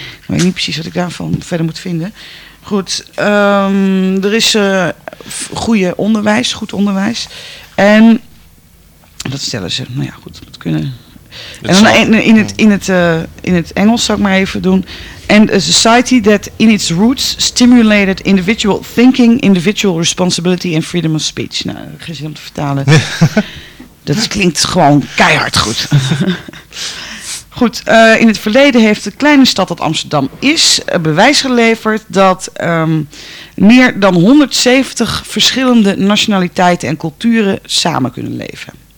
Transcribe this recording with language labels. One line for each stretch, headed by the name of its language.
Dutch: Ik weet niet precies wat ik daarvan verder moet vinden. Goed, er is goed onderwijs. En dat stellen ze. Nou ja, goed, dat kunnen. En dan in het Engels zou ik maar even doen.
English: And a society that in its roots stimulated individual thinking, individual responsibility and freedom of speech.
Dutch: Nou, geen zin om te vertalen. Dat klinkt gewoon keihard goed. Goed, in het verleden heeft de kleine stad dat Amsterdam is bewijs geleverd dat meer dan 170 verschillende nationaliteiten en culturen samen kunnen leven.